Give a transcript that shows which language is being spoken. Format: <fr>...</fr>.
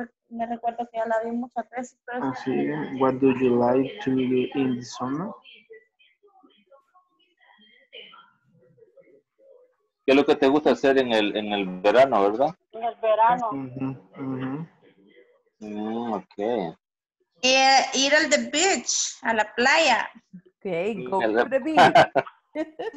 <es>Me recuerdo que ya la vi muchas veces. Pero ah, sí.</es> <en>What do you like to do in the summer?</en> <es>¿Qué es lo que te gusta hacer en el verano, verdad? En el verano. Mm-hmm. Mm-hmm. Okay. Ir al</es> <en>the beach,</en> <es>a la playa.</es> <en>Okay, go to the beach.</en>